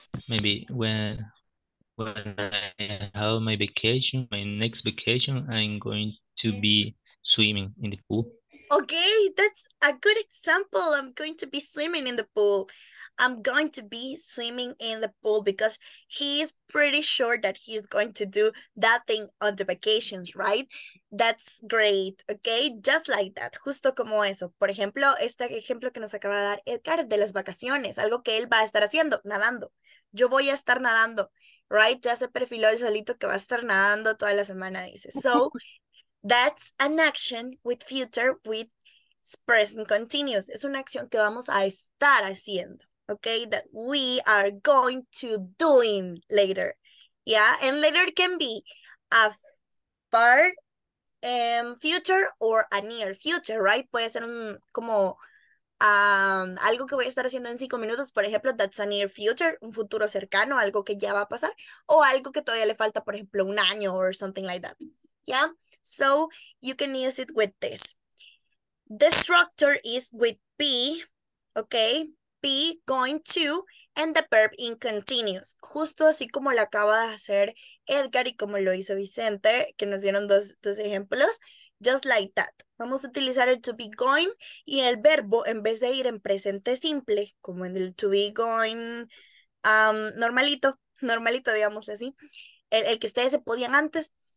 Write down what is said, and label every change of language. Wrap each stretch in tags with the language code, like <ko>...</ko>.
<en>maybe when I have my vacation, my next vacation, I'm going to be swimming in the pool. Okay, that's a good example. I'm going to be swimming in the pool. I'm going to be swimming in the pool because he is pretty sure that he's going to do that thing on the vacations, right? That's great, okay? Just like that,</en> <es>justo como eso. Por ejemplo, este ejemplo que nos acaba de dar Edgar de las vacaciones, algo que él va a estar haciendo, nadando. Yo voy a estar nadando, right? Ya se perfiló el solito que va a estar nadando toda la semana, dice.</es> <en>So, that's an action with future with present continuous.</en> <es>Es una acción que vamos a estar haciendo, okay?</es> <en>That we are going to doing later, yeah? And later can be a far future or a near future, right?</en> <es>Puede ser algo que voy a estar haciendo en 5 minutos, por ejemplo,</es> <en>that's a near future,</en> <es>un futuro cercano, algo que ya va a pasar, o algo que todavía le falta, por ejemplo, un año</es> <en>or something like that,</en> <es>yeah?</es> <en>So you can use it with this. The structure is with be, okay? Be, going to, and the verb in continuous.</en> <es>Justo así como lo acaba de hacer Edgar y como lo hizo Vicente, que nos dieron dos ejemplos.</es> <en>Just like that.</en> <es>Vamos a utilizar el to be going y el verbo en vez de ir en presente simple, como en el to be going normalito, digamos así, el que ustedes se podían antes.</es>